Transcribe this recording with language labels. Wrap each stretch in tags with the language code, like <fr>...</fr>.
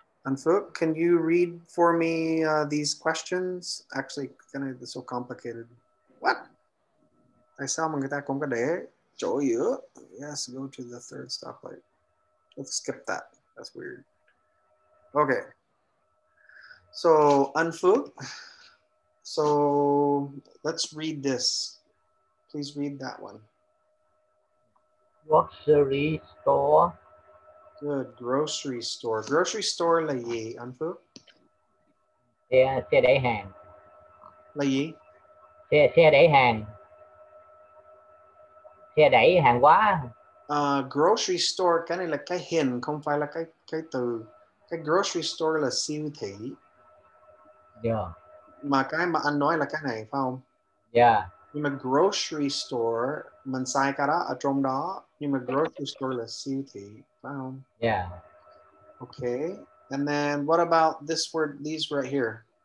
<en>An Phuc, can you read for me these questions? Actually, kind of so complicated. What?</en> <vi>Tại sao mà người ta không có để chỗ giữa?</vi> <en>Yes, go to the third stoplight. Let's skip that. That's weird. Okay. So, An Phuc, so let's read this. Please read that one. Grocery store. Good. Grocery store.</en> <vi>Grocery store là gì, An Phuc? Xe để hàng. Là gì? Xe để hàng. Xe để hàng quá. Grocery store, cái này là cái hình, không phải là cái từ. Cái grocery store là siêu thị.</vi> <en>Yeah.</en> <vi>Mà cái mà anh nói là cái này, phải không?</vi> <en>Yeah.</en> <vi>Nhưng mà grocery store, mình xài cái đó ở trong đó. Nhưng mà grocery store là siêu thị, phải không?</vi> <en>Yeah. Okay. And then what about this word, these right here?</en>